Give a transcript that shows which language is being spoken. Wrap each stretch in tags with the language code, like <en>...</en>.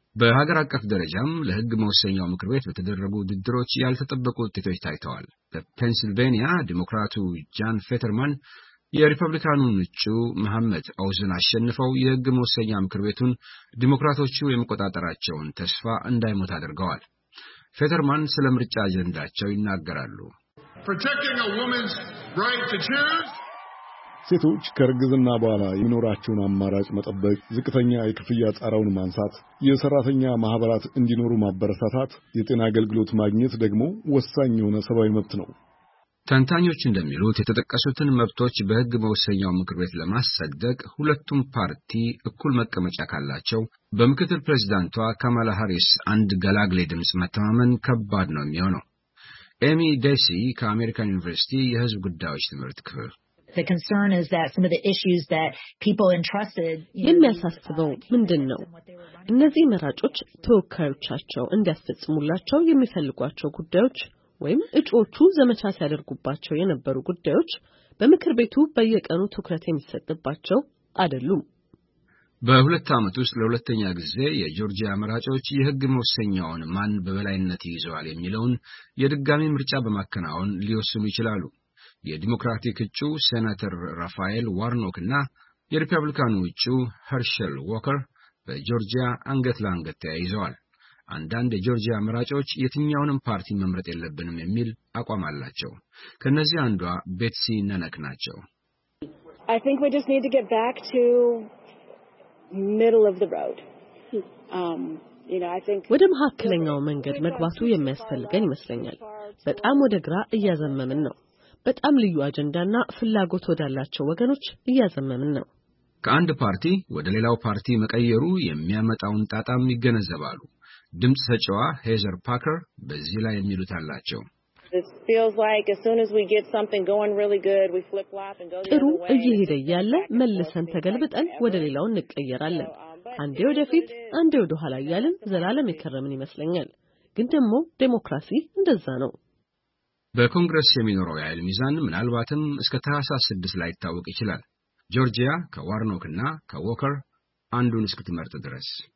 <am>በሀገር አቀፍ ደረጃም ለሕግ መወሰኛው ምክር ቤት በተደረጉ ውድድሮች ያልተጠበቁ ውጤቶች ታይተዋል። በፔንሲልቬኒያ ዲሞክራቱ ጃን ፌተርማን የሪፐብሊካኑን እጩ መሐመድ አውዝን አሸንፈው የሕግ መወሰኛ ምክር ቤቱን ዲሞክራቶቹ የመቆጣጠራቸውን ተስፋ እንዳይሞት አድርገዋል። ፌተርማን ስለ ምርጫ አጀንዳቸው ይናገራሉ።</am> <en>Protecting a woman's right to choose.</en> <am>ሴቶች ከርግዝና በኋላ የሚኖራቸውን አማራጭ መጠበቅ፣ ዝቅተኛ የክፍያ ጣራውን ማንሳት፣ የሰራተኛ ማህበራት እንዲኖሩ ማበረታታት፣ የጤና አገልግሎት ማግኘት ደግሞ ወሳኝ የሆነ ሰብአዊ መብት ነው። ተንታኞች እንደሚሉት የተጠቀሱትን መብቶች በሕግ መወሰኛው ምክር ቤት ለማሰደቅ ሁለቱም ፓርቲ እኩል መቀመጫ ካላቸው በምክትል ፕሬዝዳንቷ ካማላ ሃሪስ አንድ ገላግሌ ድምጽ መተማመን ከባድ ነው የሚሆነው። ኤሚ ዴሲ ከአሜሪካን ዩኒቨርሲቲ የሕዝብ ጉዳዮች ትምህርት ክፍል</am> <en>The concern is that some of the issues that people entrusted</en> <am>የሚያሳስበው ምንድነው? እነዚህ መራጮች ተወካዮቻቸው እንዲያስፈጽሙላቸው የሚፈልጓቸው ጉዳዮች ወይም እጩዎቹ ዘመቻ ሲያደርጉባቸው የነበሩ ጉዳዮች በምክር ቤቱ በየቀኑ ትኩረት የሚሰጥባቸው አይደሉም። በሁለት ዓመት ውስጥ ለሁለተኛ ጊዜ የጆርጂያ መራጮች የሕግ መወሰኛውን ማን በበላይነት ይዘዋል የሚለውን የድጋሚ ምርጫ በማከናወን ሊወስኑ ይችላሉ። የዲሞክራቲክ እጩ ሴናተር ራፋኤል ዋርኖክ እና የሪፐብሊካኑ እጩ ሄርሸል ዎከር በጆርጂያ አንገት ለአንገት ተያይዘዋል። አንዳንድ የጆርጂያ መራጮች የትኛውንም ፓርቲ መምረጥ የለብንም የሚል አቋም አላቸው። ከነዚህ አንዷ ቤትሲ ነነክ ናቸው።</am> <en>I think we just need to get back to middle of the road.</en> <am>ወደ መሐከለኛው መንገድ መግባቱ የሚያስፈልገን ይመስለኛል። በጣም ወደ ግራ እያዘመምን ነው። በጣም ልዩ አጀንዳና ፍላጎት ወዳላቸው ወገኖች እያዘመምን ነው። ከአንድ ፓርቲ ወደ ሌላው ፓርቲ መቀየሩ የሚያመጣውን ጣጣም ይገነዘባሉ። ድምጽ ሰጪዋ ሄዘር ፓከር በዚህ ላይ የሚሉት አላቸው።</am> <en>This feels like as soon as we get something going really good we flip flop and go the other way.</en> <am>እዚህ ይደያለ መልሰን ተገልብጠን ወደ ሌላው እንቀየራለን። አንዴ ወደፊት አንዴ ወደኋላ ያልን ዘላለም ይከረምን ይመስለኛል። ግን ደሞ ዴሞክራሲ እንደዛ ነው። በኮንግረስ የሚኖረው ያህል ሚዛን ምናልባትም እስከ ታህሳስ 6 ላይ ይታወቅ ይችላል። ጆርጂያ ከዋርኖክና ከዎከር አንዱን እስክትመርጥ ድረስ።</am>